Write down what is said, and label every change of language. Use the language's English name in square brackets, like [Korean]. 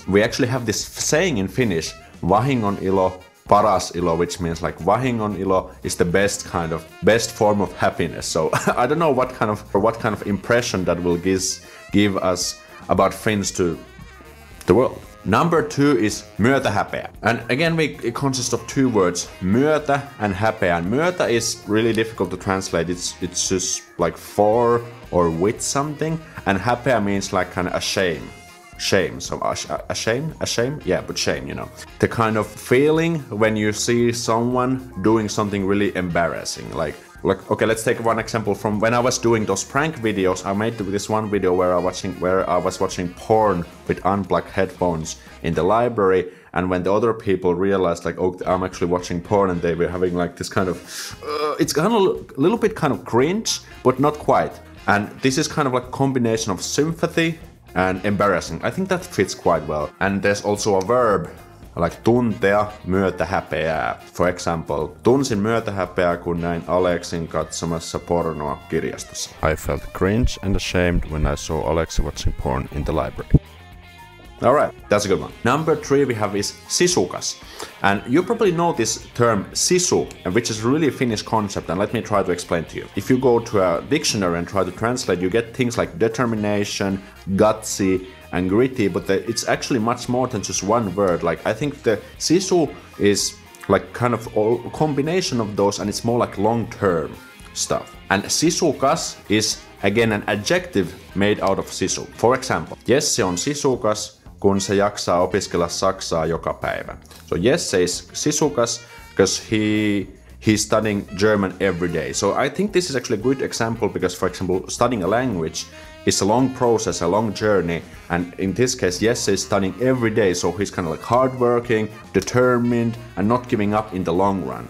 [English] We actually have this saying in Finnish, [Finnish] vahingonilo paras ilo, [English] which means like vahingonilo is the best form of happiness. So I don't know what kind of impression that will give us about Finns to the world. Number two is myötä häpeä. And again, it consists of two words, myötä and häpeä. And myötä is really difficult to translate. It's just like for or with something. And häpeä means like kind of ashamed. Shame. So ashamed? Yeah, but shame, you know. The kind of feeling when you see someone doing something really embarrassing. Like, okay, let's take one example from when I was doing those prank videos. I made this one video where I was watching porn with unplugged headphones in the library. And when the other people realized, like, oh, I'm actually watching porn, and they were having like this kind of, it's kind of a little bit kind of cringe, but not quite. And this is kind of like a combination of sympathy and embarrassing. I think that fits quite well. And there's also a verb, like [Finnish] tuntea myötä häpeää. [English] For example, [Finnish] tunsin myötä häpeää, kun näin Aleksin katsomassa pornoa kirjastossa. [English] I felt cringe and ashamed when I saw Aleksi watching porn in the library. Alright, that's a good one. Number three we have is sisukas. And you probably know this term sisu, which is a really Finnish concept, and let me try to explain to you. If you go to a dictionary and try to translate, you get things like determination, gutsy, and gritty, but it's actually much more than just one word. Like, I think the sisu is like kind of all combination of those, and it's more like long-term stuff. And sisukas is, again, an adjective made out of sisu. For example, [Finnish] Jesse on sisukas, kun se jaksaa opiskella saksaa joka päivä. [English] So Jesse is sisukas because he's studying German every day. So I think this is actually a good example because, for example, studying a language is a long process, a long journey. And in this case, Jesse is studying every day. So he's kind of like hardworking, determined, and not giving up in the long run.